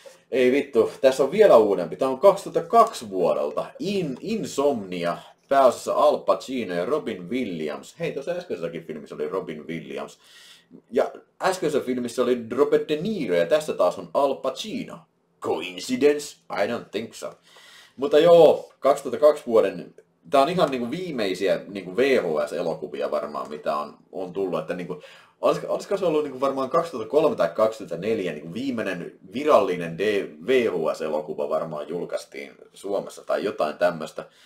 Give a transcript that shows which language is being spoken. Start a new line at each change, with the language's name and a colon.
Finnish: Ei vittu, tässä on vielä uudempi. Tämä on 2002 vuodelta. Insomnia, pääosassa Al Pacino ja Robin Williams. Hei, tuossa äskeisessäkin filmissä oli Robin Williams. Ja äskeisessä filmissä oli Robert De Niro ja tässä taas on Al Pacino.
English: Coincidence? I don't think so.
Finnish: Mutta joo, 2002 vuoden. Tämä on ihan niin kuin viimeisiä niin kuin VHS-elokuvia varmaan, mitä on tullut. Että niin kuin, olisiko se ollut niin kuin varmaan 2003 tai 2004 niin kuin viimeinen virallinen VHS-elokuva varmaan julkaistiin Suomessa tai jotain tämmöistä.